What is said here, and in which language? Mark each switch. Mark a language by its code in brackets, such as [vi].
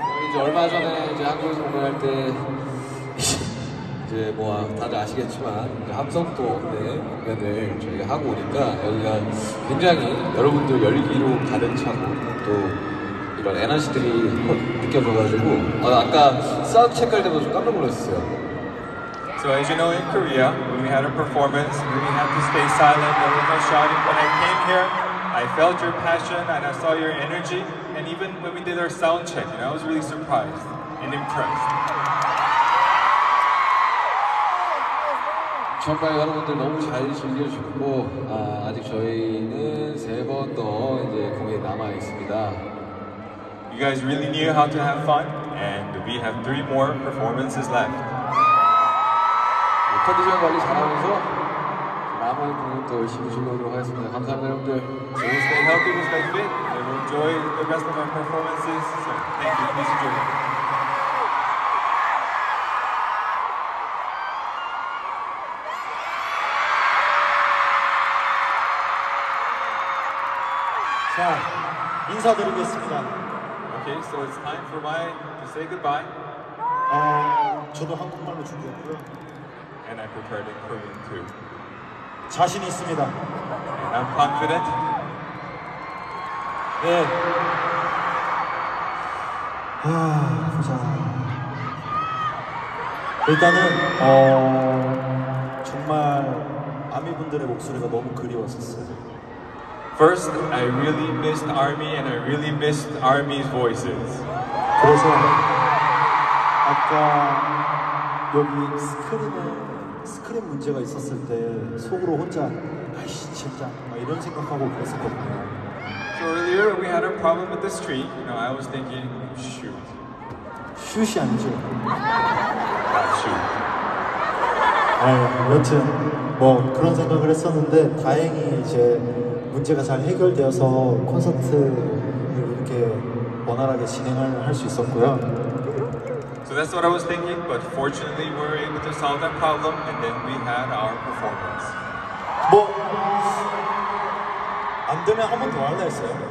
[ko] 이제 얼마 전에 이제 한국에서 공연할 때 이제 뭐 다들 아시겠지만 이제 함성도 네 공연을 저희가 하고 오니까 여기가 굉장히 여러분들 열기로운 가득 차고 또 이런 에너지들이 느껴져가지고 아까 사운드 체크할 때도 좀 깜짝 놀랐어요. [en] So as you know, in Korea, when we had a performance, we had to stay silent, there was no shouting. When I came here, I felt your passion and I saw your energy. And even when we did our sound check, you know, I was really surprised and impressed. [ko] 정말 여러분들 너무 잘 즐겨주셨고 아직 저희는 세 번 더 이제 공연 남아 있습니다. [en] You guys really knew how to have fun, and we have three more performances left. [ko] 컨디션 관리 잘하면서 남은 공연 또 열심히 즐거우도록 하겠습니다. 감사합니다, 여러분들. 좋은 시간 함께 해주셨습니다. [en] Enjoy the rest of my performances. So, thank you. Please enjoy. [ko] Okay, 인사드리겠습니다. [en] Okay, so it's time for my to say goodbye. [ko] 저도 한국말로 준비했고요. [en] And I prepared in Korean too. [ko] 자신 있습니다. [en] And I'm confident. [ko] 네. 아, 보자. 일단은 정말 아미 분들의 목소리가 너무 그리웠었어요. [en] First, I really missed Army, and I really missed Army's voices. [ko] 그래서 아까 여기 스크린 문제가 있었을 때 속으로 혼자 아이씨 진짜 막 이런 생각하고 그랬었거든요. [en] So earlier we had a problem with the street. You know, I was thinking, shoot. [ko] 슛이 아니죠. 아, 슛. 여튼 뭐 그런 생각을 했었는데 다행히 이제 문제가 잘 해결되어서 콘서트를 이렇게 원활하게 진행할 수 있었고요. [en] So that's what I was thinking, but fortunately we were able to solve that problem and then we had our performance. [ko] 뭐 안 되면 한 번 더 할래 했어요.